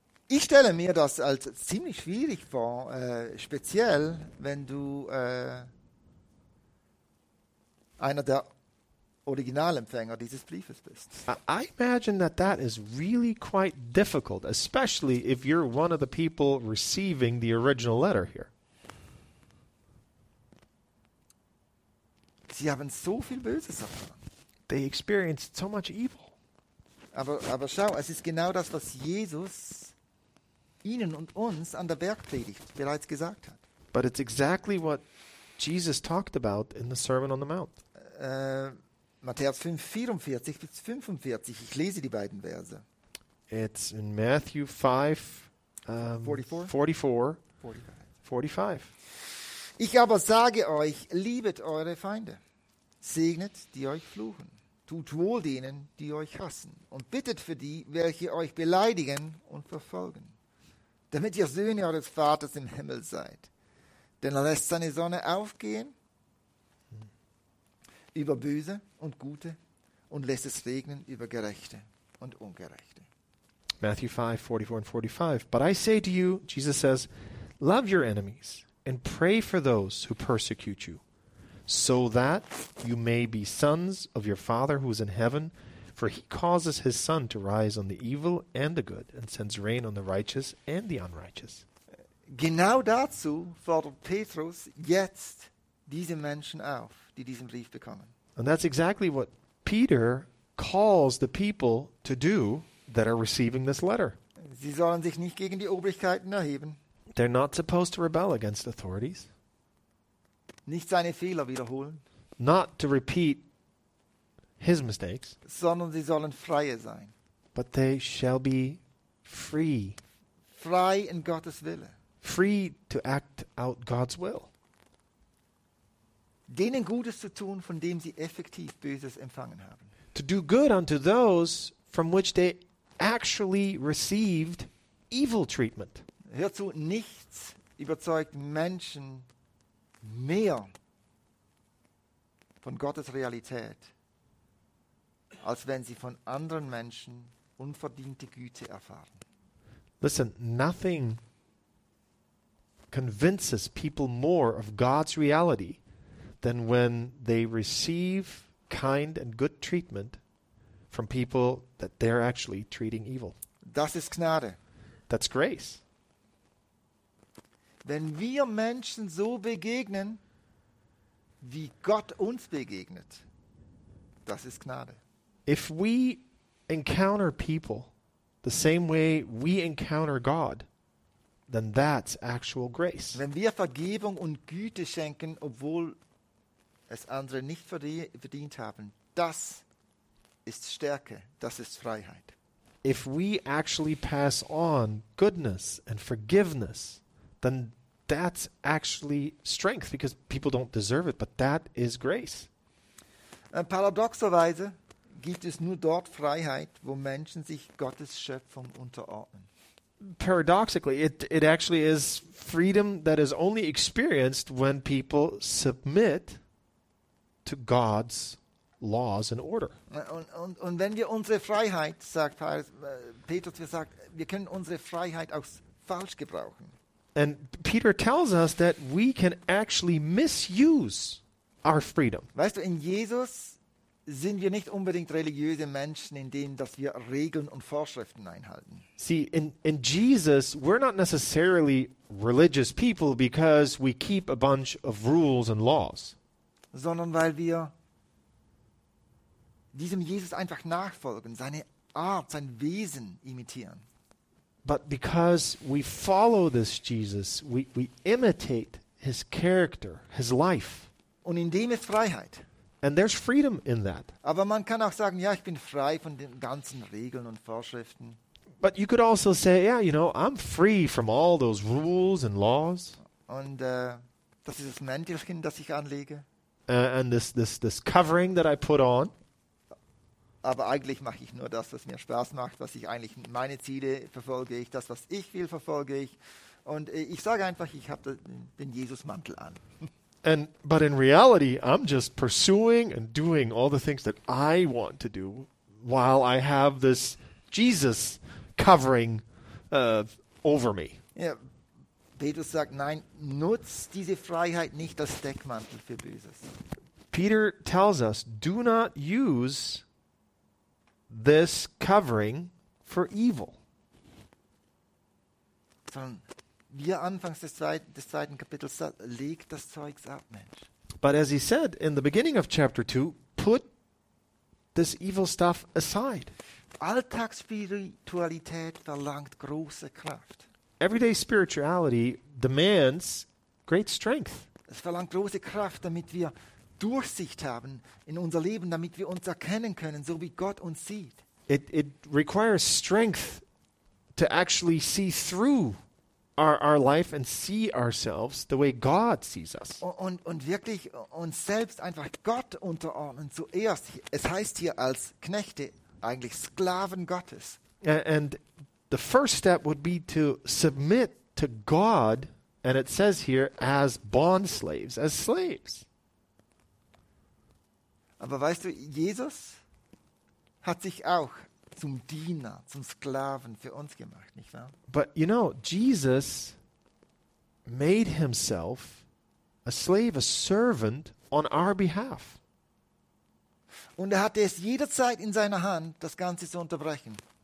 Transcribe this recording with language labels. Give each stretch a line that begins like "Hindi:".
German: Ich stelle mir das als ziemlich schwierig vor, speziell wenn du einer der Originalempfänger dieses Briefes bist.
English: I imagine that that is really quite difficult, especially if you're one of the people receiving the original letter here.
German: Sie haben so viel Böses erfahren.
English: They experienced so much evil.
German: Aber schau, es ist genau das, was Jesus ihnen und uns an der Bergpredigt bereits gesagt hat.
English: But it's exactly what Jesus talked about in the Sermon on the Mount.
German: Matthäus 5, 44 bis 45. Ich lese die beiden Verse.
English: It's in Matthew 5,
German: 45. Ich aber sage euch, liebet eure Feinde. Segnet, die euch fluchen. Tut wohl denen, die euch hassen. Und bittet für die, welche euch beleidigen und verfolgen. Damit ihr Söhne eures Vaters im Himmel seid. Denn er lässt seine Sonne aufgehen über Böse und Gute und lässt es regnen über Gerechte und Ungerechte.
English: Matthew 5, 44 and 45. But I say to you, Jesus says, love your enemies and pray for those who persecute you, so that you may be sons of your Father who is in heaven, for he causes his sun to rise on the evil and the good and sends rain on the righteous and the unrighteous.
German: Genau dazu fordert Petrus jetzt diese Menschen auf, die diesen Brief bekommen.
English: And that's exactly what Peter calls the people to do that are receiving this letter.
German: Sie sollen sich nicht gegen die Obrigkeiten erheben.
English: They're not supposed to rebel against authorities.
German: Nicht seine Fehler wiederholen.
English: Not to repeat his mistakes.
German: Sondern sie sollen freie sein.
English: But they shall be free.
German: Frei in Gottes Wille.
English: Free to act out God's will.
German: Denen Gutes zu tun, von dem sie effektiv Böses empfangen haben.
English: To do good unto those from which they actually received evil treatment.
German: Hör zu, nichts überzeugt Menschen mehr von Gottes Realität, als wenn sie von anderen Menschen unverdiente Güte erfahren.
English: Listen, nothing convinces people more of God's reality than when they receive kind and good treatment from people that they're actually treating evil.
German: Das ist Gnade.
English: That's grace.
German: Wenn wir Menschen so begegnen, wie Gott uns begegnet, das ist Gnade.
English: If we encounter people the same way we encounter God, then that's actual grace.
German: Wenn wir Vergebung und Güte schenken, obwohl es andere nicht verdient haben, das ist Stärke, das ist Freiheit.
English: If we actually pass on goodness and forgiveness, then that's actually strength, because people don't deserve it, but that is grace.
German: Paradoxerweise gibt es nur dort Freiheit, wo Menschen sich Gottes Schöpfung unterordnen.
English: Paradoxically, it actually is freedom that is only experienced when people submit to God's laws and order.
German: Und wenn wir unsere Freiheit, sagt Petrus, wir sagen, wir können unsere Freiheit auch falsch gebrauchen.
English: And Peter tells us that we can actually misuse our freedom.
German: Weißt du, in Jesus sind wir nicht unbedingt religiöse Menschen, in denen dass wir Regeln und Vorschriften einhalten.
English: See, in Jesus, we're not necessarily religious people because we keep a bunch of rules and laws.
German: Sondern weil wir diesem Jesus einfach nachfolgen, seine Art, sein Wesen imitieren.
English: But because we follow this Jesus, we imitate his character, his life.
German: Und in dem ist Freiheit.
English: And there's freedom in that.
German: Aber man kann auch sagen, ja, ich bin frei von den ganzen Regeln und Vorschriften.
English: But you could also say, yeah, you know, I'm free from all those rules and laws.
German: Und das ist das Mäntelchen, das ich anlege.
English: And this covering that I put on.
German: Aber eigentlich mache ich nur das, was mir Spaß macht, was ich eigentlich meine Ziele verfolge ich, das, was ich will, verfolge ich. Und ich sage einfach, ich habe den Jesus-Mantel an.
English: But in reality, I'm just pursuing and doing all the things that I want to do, while I have this Jesus covering over me.
German: Ja, Petrus sagt, nein, nutz diese Freiheit nicht als Deckmantel für Böses.
English: Peter tells us, do not use this covering for evil.
German: Sondern wir anfangs des zweiten Kapitels sagt, leg das Zeugs ab, Mensch.
English: But as he said in the beginning of chapter 2, put this evil stuff aside.
German: Alltagsspiritualität verlangt große Kraft.
English: Everyday spirituality demands great strength.
German: Es verlangt große Kraft, damit wir Durchsicht haben in unser Leben, damit wir uns erkennen können, so wie Gott uns sieht.
English: It requires strength to actually see through our life and see ourselves the way God sees us.
German: Und wirklich uns selbst einfach Gott unterordnen zuerst. Es heißt hier als Knechte, eigentlich Sklaven Gottes.
English: And the first step would be to submit to God, and it says here as bond slaves, as slaves.
German: Aber weißt du, Jesus hat sich auch zum Diener, zum Sklaven für uns gemacht, nicht wahr?
English: But you know, Jesus made himself a slave, a servant on our behalf.
German: Und er hatte es jederzeit in seiner Hand, das Ganze zu unterbrechen.